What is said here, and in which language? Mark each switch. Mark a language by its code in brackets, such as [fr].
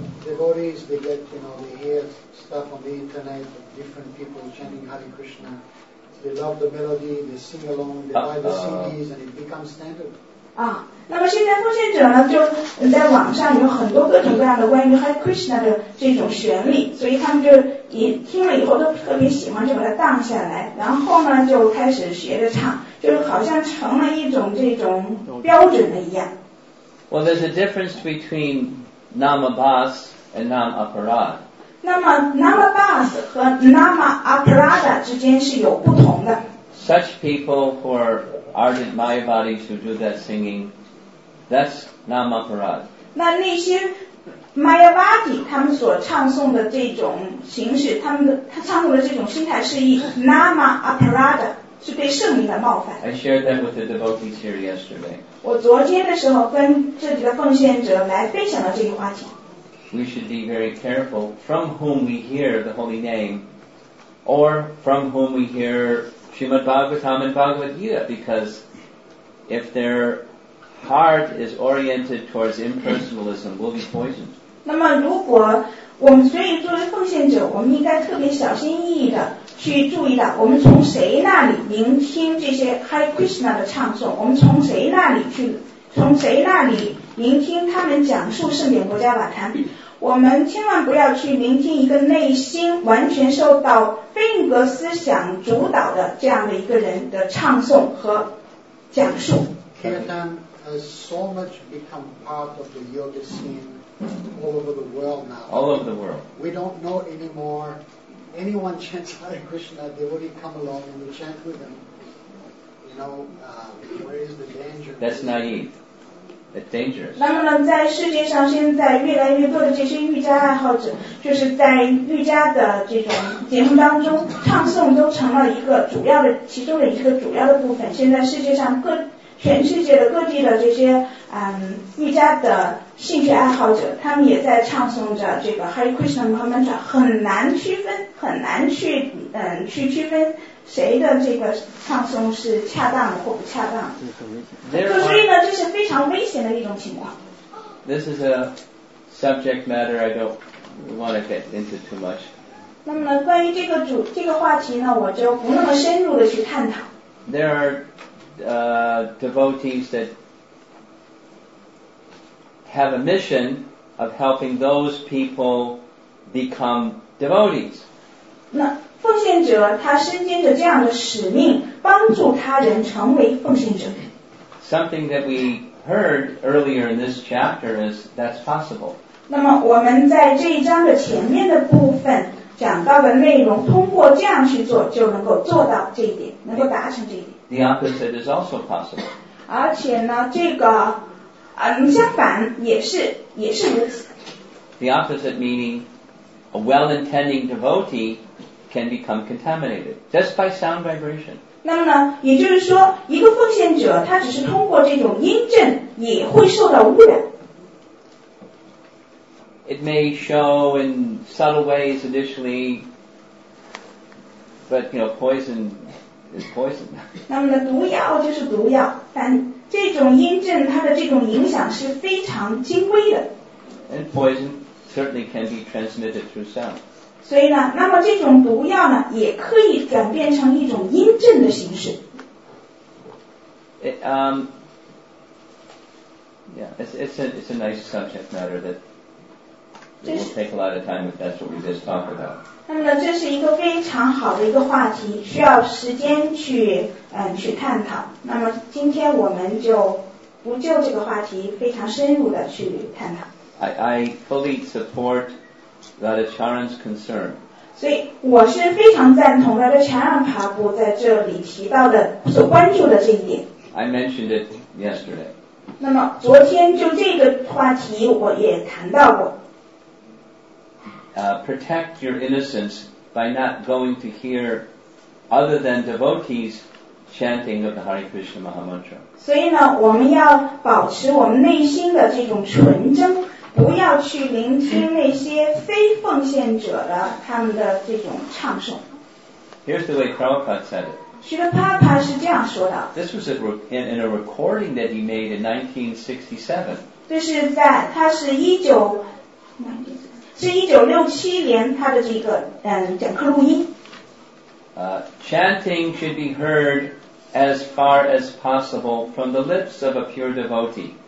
[en] Devotees, they get, you know, they hear stuff on the internet of different people chanting Hare Krishna. They love the melody, they sing along, they buy the CDs, and it becomes standard. [zh] 那么现在奉献者呢，就在网上有很多各种各样的关于 Hare Krishna 的这种旋律，所以他们就一听了以后都特别喜欢，就把它当下来，然后呢就开始学着唱，就好像成了一种这种标准了一样。 [en] Well, there's a difference between Namabas and Namaparada. [zh] 那么 Namabas 和 Namaparada 之间是有不同的。 [en] Such people who are ardent Mayavadis who do that singing, that's Namaparad. [zh] 那那些 Mayavadi 他们所唱诵的这种形式，他唱诵的这种心态是以 Namaparad 是被圣名的冒犯。 [en] I shared that with the devotees here yesterday. [zh] 我昨天的时候跟这几个奉献者来分享了这个话题。 [en] We should be very careful from whom we hear the holy name, or from whom we hear. Srimad Bhagavatam and Bhagavad Gita, because if their heart is oriented towards impersonalism, we'll be poisoned. [zh] 那么如果我们所以作为奉献者，我们应该特别小心翼翼的去注意到，我们从谁那里聆听这些 Hare Krishna 的唱诵，我们从谁那里去，从谁那里聆听他们讲述圣典国家瓦坛。我们千万不要去聆听一个内心完全受到非应格思想主导的这样的一个人的唱诵和讲述。 [en] Kirtan has so much become part of the yoga scene all over the world now. All over the world. We don't know anymore anyone chants Hare Krishna, they wouldn't come along and we chant with them. You know, where is the danger? That's naive. It's dangerous. [zh] 那么呢，在世界上现在越来越多的这些瑜伽爱好者，就是在瑜伽的这种节目当中唱诵都成了一个主要的其中的一个主要的部分。现在世界上各全世界的各地的这些瑜伽的兴趣爱好者，他们也在唱诵着这个 Hare Krishna Mantra， 很难区分，很难去去区分谁的这个唱诵是恰当的或不恰当。所以呢，这是非常危险的一种情况。 [en] This is a subject matter I don't want to get into too much. [zh] 那么关于这个话题呢，我就不那么深入的去探讨。 [en] There are devotees that have a mission of helping those people become devotees. [zh] 那奉献者他身兼着这样的使命，帮助他人成为奉献者。 [en] Something that we heard earlier in this chapter is that's possible. [zh] 那么我们在这一章的前面的部分讲到的内容，通过这样去做就能够做到这一点，能够达成这一点。 [en] The opposite is also possible. [zh] 而且呢，这个相反也是如此。 [en] The opposite meaning a well-intending devotee can become contaminated just by sound vibration. [zh] 那么呢，也就是说，一个奉献者他只是通过这种音振也会受到污染。 [en] It may show in subtle ways initially, but you know, poison. Is poison. [zh] 那么呢，毒药就是毒药，但这种阴症它的这种影响是非常轻微的。 [en] And poison certainly can be transmitted through sound. [zh] 所以呢，那么这种毒药呢，也可以转变成一种阴症的形式。 [en] It's a nice subject matter that will take a lot of time if that's what we just talked about. [zh] 那么呢，这是一个非常好的一个话题，需要时间去探讨。那么今天我们就不就这个话题非常深入的去探讨。 [en] I fully support Radhacharan's concern. [zh] 所以我是非常赞同 Radhacharan Prabhu 在这里提到的所关注的这一点。 [en] I mentioned it yesterday. [zh] 那么昨天就这个话题我也谈到过。 [en] Protect your innocence by not going to hear other than devotees chanting of the Hare Krishna Mahamantra. [zh] 所以呢，我们要保持我们内心的这种纯真，不要去聆听那些非奉献者的他们的这种唱诵。 [en] Here's the way Prabhupada said it. [zh] 其实Prabhupada是这样说的。 [en] This was in a recording that he made in 1967. [zh] 这是在他是一九。是1967年他的这个讲课录音。 [en] Chanting should be heard as far as possible from the lips of a pure devotee.